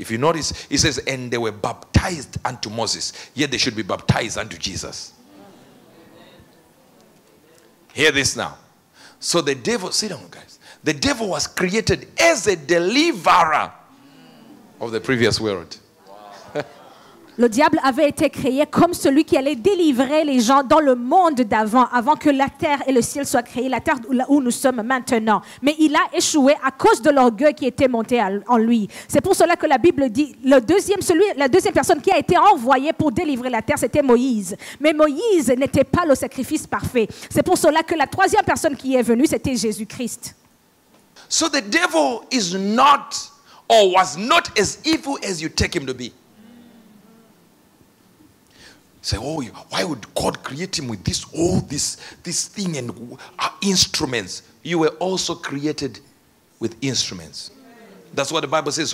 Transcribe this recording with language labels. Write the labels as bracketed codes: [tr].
[en] If you notice, he says, and they were baptized unto Moses, yet they should be baptized unto Jesus. Hear this now. So the devil, sit down guys, the devil was created as a deliverer of the previous world. [fr] Le diable avait été créé comme celui qui allait délivrer les gens dans le monde d'avant, avant que la terre et le ciel soient créés, la terre où nous sommes maintenant. Mais il a échoué à cause de l'orgueil qui était monté en lui. C'est pour cela que la Bible dit, la deuxième personne qui a été envoyée pour délivrer la terre, c'était Moïse. Mais Moïse n'était pas le sacrifice parfait. C'est pour cela que la troisième personne qui est venue, c'était Jésus-Christ. [en] So the devil is not or was not as evil as you take him to be. Say, oh, why would God create him with this, all this thing and instruments? You were also created with instruments. That's what the Bible says.